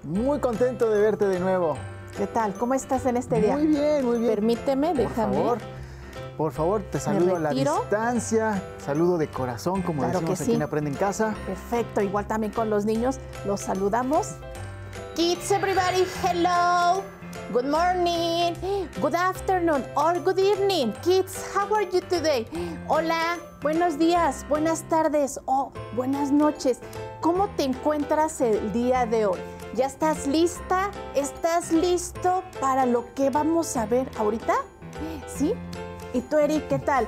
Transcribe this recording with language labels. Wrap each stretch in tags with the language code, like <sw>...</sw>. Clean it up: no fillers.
<es>Muy contento de verte de nuevo. ¿Qué tal? ¿Cómo estás en este día? Muy bien, muy bien. Permíteme, déjame. Por favor, te saludo a la distancia. Saludo de corazón, como claro decimos que aquí sí. En Aprende en Casa. Perfecto. Igual también con los niños. Los saludamos.</es> <en>Kids, everybody, hello. Good morning, good afternoon, or good evening. Kids, how are you today?</en> <es>Hola, buenos días, buenas tardes, buenas noches. ¿Cómo te encuentras el día de hoy? ¿Ya estás lista? ¿Estás listo para lo que vamos a ver ahorita? ¿Sí? ¿Y tú, Eric, qué tal?</es>